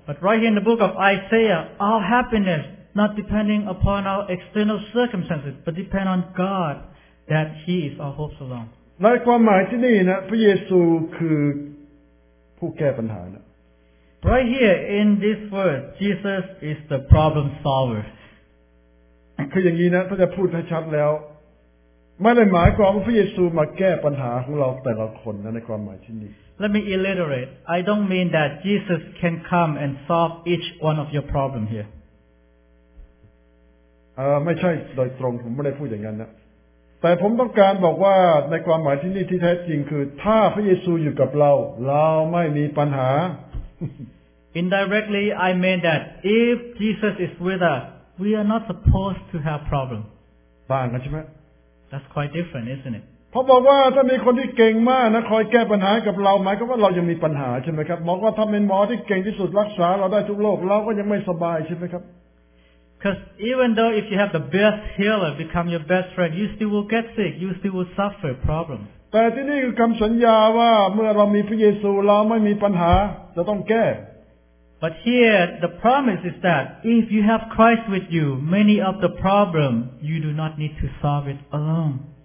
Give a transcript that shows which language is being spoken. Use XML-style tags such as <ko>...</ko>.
<en>But right here in the book of Isaiah, our happiness not depending upon our external circumstances, but depend on God, that He is our hope alone.</en> <th>ในความหมายที่นี่นะพระเยซูคือผู้แก้ปัญหานะ</th> <en>Right here in this word Jesus is the problem solver</en> <th>คืออย่างนี้นะถ้าจะพูดให้ชัดแล้วไม่ได้หมายความว่าพระเยซูมาแก้ปัญหาของเราแต่ละคนนะในความหมายที่นี้</th> <en>Let me illustrate I don't mean that Jesus can come and solve each one of your problem here</en> <th>ไม่ใช่โดยตรงผมไม่ได้พูดอย่างนั้นนะแต่ผมต้องการบอกว่าในความหมายที่นี่ที่แท้จริงคือถ้าพระเยซูอยู่กับเราเราไม่มีปัญหา</th> <en>Indirectly I mean that if Jesus is with us we are not supposed to have problem</en> <th>ต่างกันใช่ไหม</th> <en>That's quite different isn't it</en> <th>เพราะบอกว่าถ้ามีคนที่เก่งมากนะคอยแก้ปัญหากับเราหมายก็ว่าเรายังมีปัญหาใช่ไหมครับบอกว่าถ้าเป็นหมอที่เก่งที่สุดรักษาเราได้ทุกโรคเราก็ยังไม่สบายใช่ไหมครับ</th> <en>Because even though if you have the best healer become your best friend, you still will get sick. You still will suffer problems.</en> <th>แต่ที่นี่คือคำสัญญาว่าเมื่อเรามีพระเยซูเราไม่มีปัญหาจะต้องแก้</th> <en>But here the promise is that if you have Christ with you, many of the problem you do not need to solve it alone.</en>